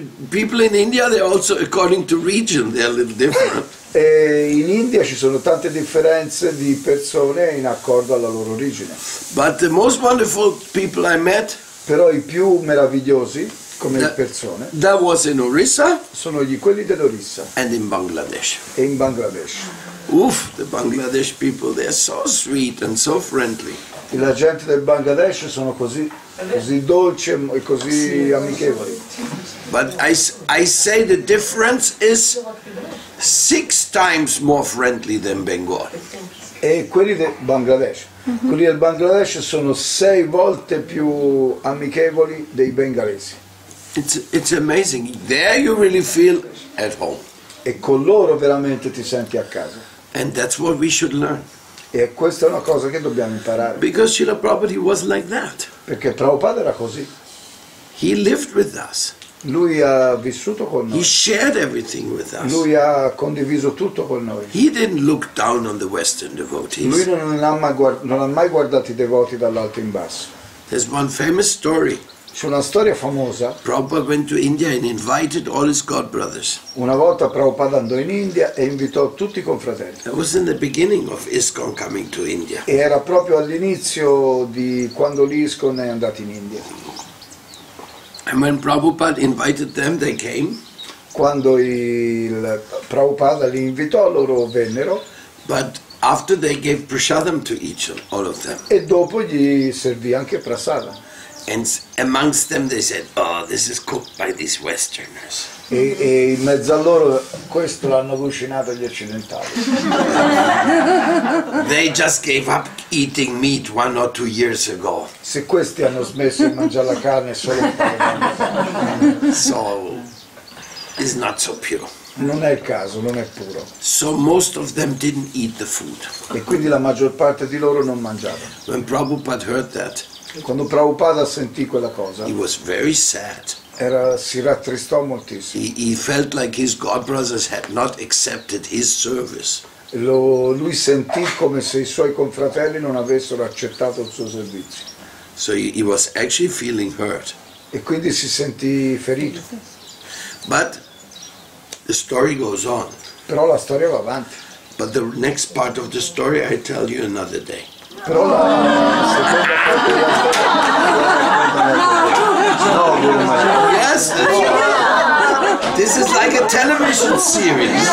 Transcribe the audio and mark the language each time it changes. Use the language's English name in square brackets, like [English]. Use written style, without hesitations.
[English] People in India, they're also according to region, they're a little different. [Italian] E in India ci sono tante differenze di persone in accordo alla loro origine. [English] But the most wonderful people I met. [Italian] Però i più meravigliosi come persone. [English] That was in Orissa. [Italian] Sono gli quelli dell'Orissa. [English] And in Bangladesh. [Italian] E in Bangladesh. [English] Uff, the Bangladesh people, they're so sweet and so friendly. [Italian] La gente del Bangladesh sono così, così dolci e così amichevoli. [English] But I say the difference is 6 times more friendly than Bengal. [Italian] E quelli del Bangladesh. Mm-hmm. Quelli del Bangladesh sono 6 volte più amichevoli dei bengalesi. [English] It's amazing. There you really feel at home. [Italian] E con loro veramente ti senti a casa. [English] And that's what we should learn. [Italian] E questa è una cosa che dobbiamo imparare. [English] Because Srila Prabhupada was like that. [Italian] Perché Prabhupada era così. [English] He lived with us. [Italian] Lui ha vissuto con noi. [English] He shared everything with us. [Italian] Lui ha condiviso tutto con noi. [English] He didn't look down on the Western devotees. [Italian] Lui non ha mai guardato i devoti dall'alto in basso. [English] There's one famous story. [Italian] C'è una storia famosa. [English] Prabhupada went to India and invited all his god brothers. [Italian] Una volta Prabhupada andò in India e invitò tutti i confratelli. [English] It was in the beginning of ISKCON coming to India. [Italian] E era proprio all'inizio di quando l'ISKCON è andato in India. [English] And when Prabhupada invited them, they came. [Italian] Quando il Prabhupada li invitò, loro vennero. [English] But after they gave prasadam to each all of them. [Italian] E dopo gli servì anche prasadam. [English] And amongst them they said, oh, this is cooked by these Westerners. [Italian] E in mezzo a loro questo l'hanno cucinato gli occidentali. [English] They just gave up eating meat 1 or 2 years ago. [Italian] Se questi hanno smesso di mangiare la carne solo un paio di anni. [English] So, it's not so pure. [Italian] Non è il caso, non è puro. [English] So most of them didn't eat the food. [Italian] E quindi la maggior parte di loro non mangiava. [English] When Prabhupada heard that, [Italian] quando Prabhupada sentì quella cosa, [English] he was very sad. [Italian] Si rattristò moltissimo. [English] He felt like his god brothers had not accepted his service. [Italian] Lui sentì come se i suoi confratelli non avessero accettato il suo servizio. [English] So he was actually feeling hurt. [Italian] E quindi si sentì ferito. [English] But the story goes on. [Italian] Però la storia va avanti. [English] But the next part of the story I tell you another day. [Italian] Però la seconda parte della storia. [English] No, this is like a television series.